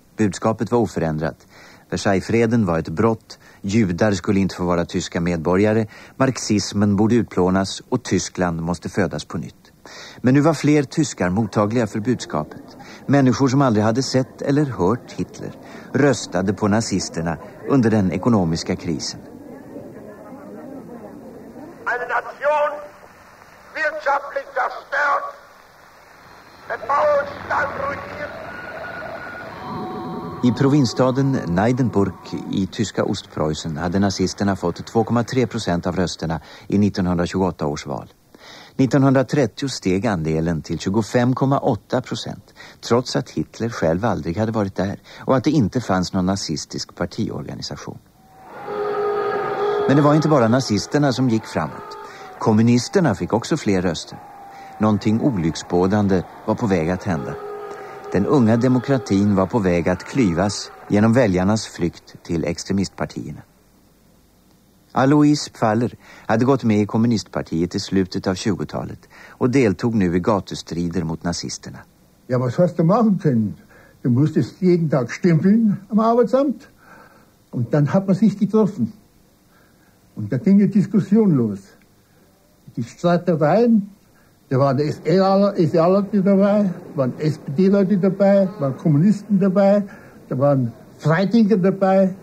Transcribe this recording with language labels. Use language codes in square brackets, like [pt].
[sv] Budskapet var oförändrat. Versaillesfreden var ett brott, judar skulle inte få vara tyska medborgare, marxismen borde utplånas och Tyskland måste födas på nytt. Men nu var fler tyskar mottagliga för budskapet. Människor som aldrig hade sett eller hört Hitler röstade på nazisterna under den ekonomiska krisen. [de] En nation, wirtschaftlich zerstört, den Bauernstand ruiniert. [sv] I provinsstaden Neidenburg i tyska Ostpreussen hade nazisterna fått 2,3% av rösterna i 1928 års val. 1930 steg andelen till 25,8% trots att Hitler själv aldrig hade varit där och att det inte fanns någon nazistisk partiorganisation. Men det var inte bara nazisterna som gick framåt. Kommunisterna fick också fler röster. Någonting olycksbådande var på väg att hända. Den unga demokratin var på väg att klyvas genom väljarnas flykt till extremistpartierna. Alois Pfaller hade gått med i kommunistpartiet i slutet av 20-talet och deltog nu i gatustrider mot nazisterna. [de] Ja, was hast du machen können? Du musstest jeden Tag stempeln am Arbeitsamt und dann hat man sich getroffen. Und da ging die Diskussion los. Die Streitereien. Da waren SA-Leute dabei, waren SPD-Leute dabei, waren Kommunisten dabei, da waren Freidenker dabei.